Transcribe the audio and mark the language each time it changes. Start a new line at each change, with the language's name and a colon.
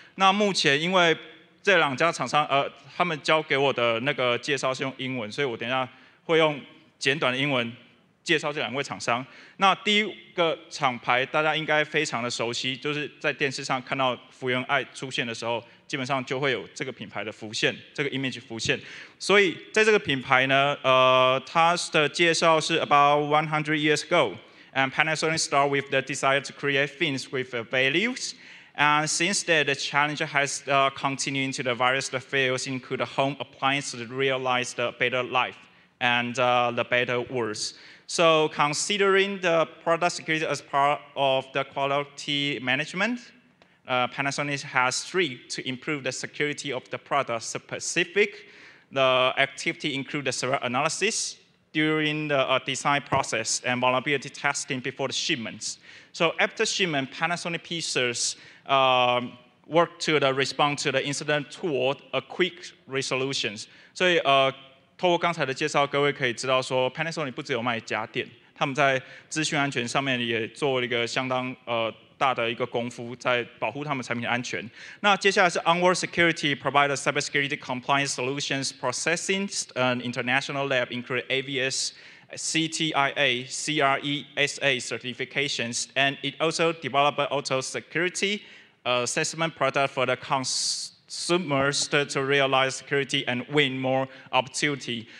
Chinese: 那目前因为这两家厂商他们交给我的那个介绍是用英文，所以我等一下会用简短的英文介绍这两位厂商。那第一个厂牌大家应该非常的熟悉，就是在电视上看到福原爱出现的时候，基本上就会有这个品牌的浮现，这个 image 浮现。所以在这个品牌呢，它的介绍是
English: about 100 years ago, and Panasonic started with the desire to create things with values, and since then the challenge has continued into the various fields, including home appliances to realize the better life and the better worlds. So considering the product security as part of the quality management, Panasonic has three to improve the security of the product. Specific, the activity include the threat analysis during the design process and vulnerability testing before the shipments. So after shipment, Panasonic pieces work to the respond to the incident toward a quick resolution.
Chinese: So, 透过刚才的介绍，各位可以知道说 Panasonic 不只有卖家电，他们在资讯安全上面也做了一个相当大的一个功夫，在保护他们产品的安全。那接下来是
English: Onward Security provide a cybersecurity compliance solutions processing an international lab include AVS, CTIA, CRESA certifications, and it also develop an auto security assessment product for the consumers to realize security and win more opportunity.